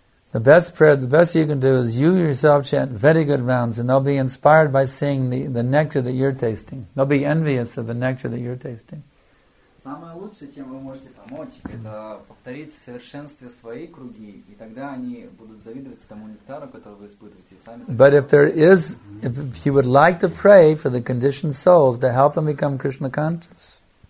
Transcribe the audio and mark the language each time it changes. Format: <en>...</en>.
<en>The best prayer, the best you can do is you yourself chant very good rounds and they'll be inspired by seeing the nectar that you're tasting. They'll be envious of the nectar that you're tasting.</en> <ru>Самое лучшее, чем вы можете помочь, это повторить совершенствие свои круги, и тогда они будут завидовать тому нектару, который вы испытываете.</ru> <en>But if there is, if you would like to pray for the conditioned souls to help them become Krishna conscious.</en>